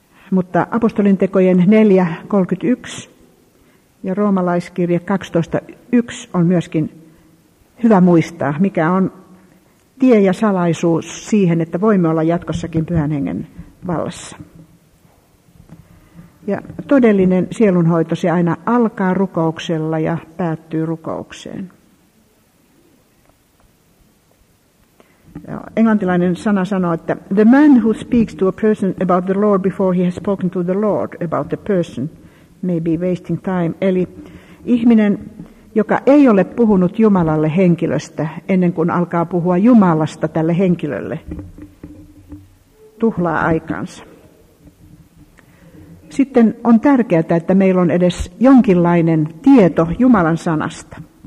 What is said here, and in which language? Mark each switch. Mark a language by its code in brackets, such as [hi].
[fi] Mutta apostolien tekojen 4:31 ja roomalaiskirje 12:1 on myöskin hyvä muistaa, mikä on tie ja salaisuus siihen, että voimme olla jatkossakin pyhän hengen vallassa. Ja todellinen sielunhoito, se aina alkaa rukouksella ja päättyy rukoukseen. [en] Ja englantilainen sana sanoo, että the man who speaks to a person about the Lord before he has spoken to the Lord about the person may be wasting time. [fi] Eli ihminen, joka ei ole puhunut Jumalalle henkilöstä ennen kuin alkaa puhua Jumalasta tälle henkilölle, tuhlaa aikansa. Sitten on tärkeää, että meillä on edes jonkinlainen tieto Jumalan sanasta.